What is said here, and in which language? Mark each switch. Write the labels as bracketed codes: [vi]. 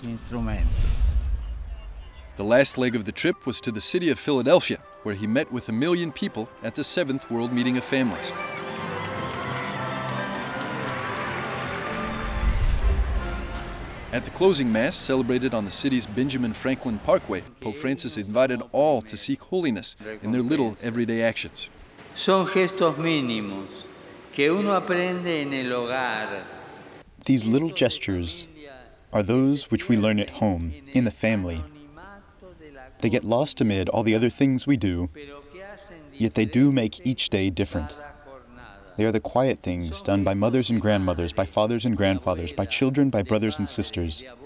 [en] The last leg of the trip was to the city of Philadelphia, where he met with 1 million people at the 7th World Meeting of Families. At the closing mass, celebrated on the city's Benjamin Franklin Parkway, Pope Francis invited all to seek holiness in their little everyday actions. [es] Son gestos mínimos que uno aprende en el hogar. [en] These little gestures are those which we learn at home, in the family. They get lost amid all the other things we do, yet they do make each day different. They are the quiet things done by mothers and grandmothers, by fathers and grandfathers, by children, by brothers and sisters.